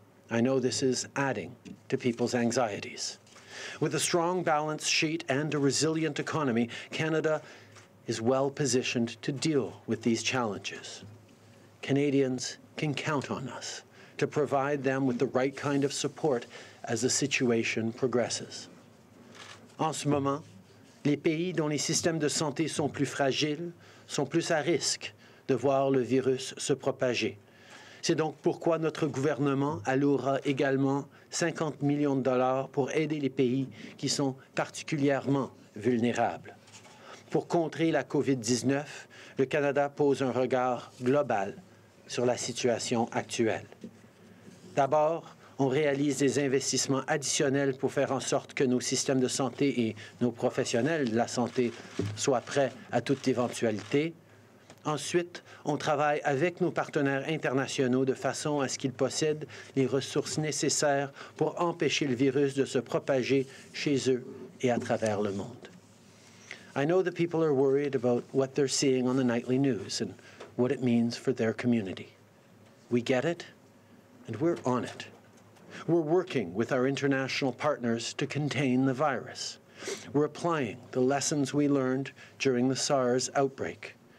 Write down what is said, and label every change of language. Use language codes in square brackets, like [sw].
[en] I know this is adding to people's anxieties. With a strong balance sheet and a resilient economy, Canada is well positioned to deal with these challenges. Canadians can count on us to provide them with the right kind of support as the situation progresses. [fr] En ce moment, les pays dont les systèmes de santé sont plus fragiles sont plus à risque de voir le virus se propager. C'est donc pourquoi notre gouvernement allouera également 50 millions de dollars pour aider les pays qui sont particulièrement vulnérables. Pour contrer la COVID-19, le Canada pose un regard global sur la situation actuelle. D'abord, on réalise des investissements additionnels pour faire en sorte que nos systèmes de santé et nos professionnels de la santé soient prêts à toute éventualité. Ensuite, on travaille avec nos partenaires internationaux de façon à ce qu'ils possèdent les ressources nécessaires pour empêcher le virus de se propager chez eux et à travers le monde. [en] I know the people are worried about what they're seeing on the nightly news and what it means for their community. We get it, and we're on it. We're working with our international partners to contain the virus. We're applying the lessons we learned during the SARS outbreak.